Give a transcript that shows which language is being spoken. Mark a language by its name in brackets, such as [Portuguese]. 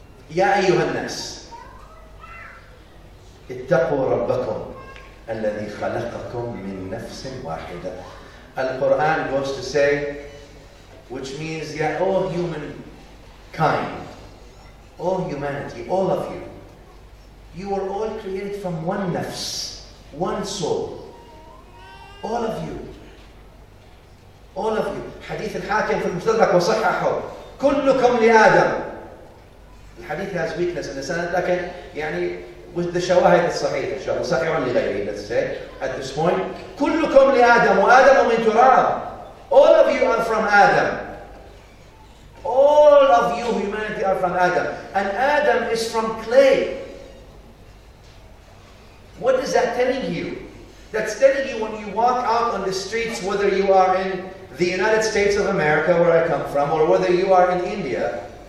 [Arabic] يا أيها الناس اتقوا ربكم الذي خلقكم من نفس واحدة. [English] القرآن goes to say, which means, يا all humankind, all humanity, all of you, you were all created from one nafs, one soul. All of you. All of you. [Arabic] حديث الحاكم في المستدرك وصححه. كلكم لآدم. الحديث [English] has weakness in the sanad, [Arabic] لكن يعني [English] with the [Arabic] شواهد الصحيحة إن شاء الله صحيح لغيره. [English] Let's say at this point, [Arabic] كلكم لآدم وآدم من تراب. [English] All of you are from Adam. All of you humanity are from Adam, and Adam is from clay. What is that telling you? That's telling you when you walk out on the streets, whether you are in the United States of America, where I come from, or whether you are in India.